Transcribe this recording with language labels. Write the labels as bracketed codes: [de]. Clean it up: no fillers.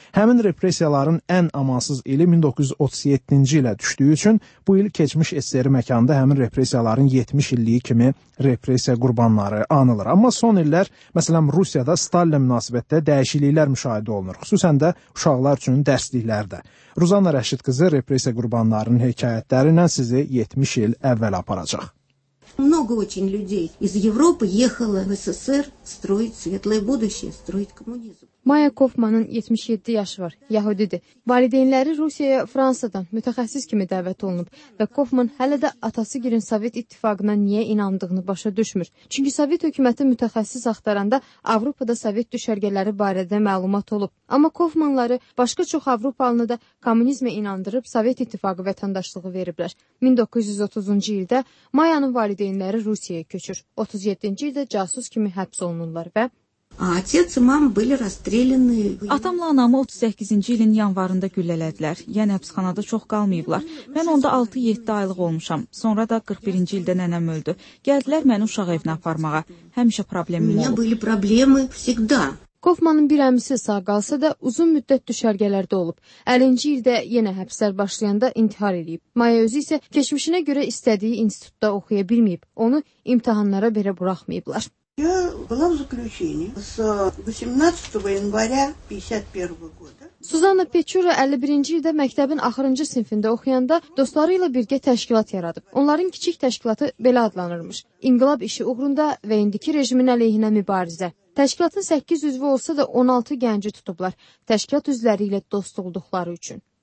[az] Həmin repressiyaların ən amansız ili 1937-ci ilə düşdüyü üçün bu il keçmiş SSR məkanında həmin repressiyaların 70 illiyi kimi repressiya qurbanları anılır. Amma son illər, məsələn, Rusiyada Stalin münasibətdə dəyişikliklər müşahidə olunur, xüsusən də uşaqlar üçün dərsliklərdə. Ruzana Rəşid qızı repressiya qurbanlarının hekayətləri ilə sizi 70 il əvvəl aparacaq. [ru] Много очень людей из Европы ехало в СССР строить светлое будущее, строить коммунизм. [az] Maya Kofman'ın 77 yaşı var, Yahudidir. Valideynləri Rusiyaya Fransadan mütəxəssis kimi dəvət olunub və Kofman hələ də atası girin Sovet İttifaqına niyə inandığını başa düşmür. Çünki Sovet hökuməti mütəxəssis axtaranda Avropada Sovet düşərgələri barədə məlumat olub. Amma Kofmanları başqa çox Avropalını da kommunizmə inandırıb Sovet İttifaqı vətəndaşlığı veriblər. 1930-cu ildə Mayanın valideynləri Rusiyaya köçür. 37-ci ildə casus kimi həbs olunurlar və [ru] Отец и мама были расстреляны. [az] Atamla anamı 38-ci ilin yanvarında güllələdilər. Yəni həbsxanada çox qalmayıblar. Mən onda 6-7 aylıq olmuşam. Sonra da 41-ci ildə nənəm öldü. Gəldilər məni uşaq evinə aparmağa. Həmişə problemim olub. [ru] У меня были проблемы всегда. [az] Kofmanın bir əmisi sağ qalsa da uzun müddət düşərgələrdə olub. 50-ci ildə yenə həbslər başlayanda intihar edib. Maya özü isə keçmişinə görə istədiyi institutda oxuya bilməyib. Onu imtahanlara belə buraxmayıblar. [ru] Я была в заключении с 18 января 51 года. [az] Suzana Pechura 51-ci ildə məktəbin axırıncı sinfində oxuyanda dostları ilə birgə təşkilat yaradıb. Onların kiçik təşkilatı belə adlanırmış. İnqilab işi uğrunda və indiki rejimin əleyhinə mübarizə. Təşkilatın 8 üzvü olsa da 16 gənci tutublar. Təşkilat üzvləri ilə dost olduqları üçün.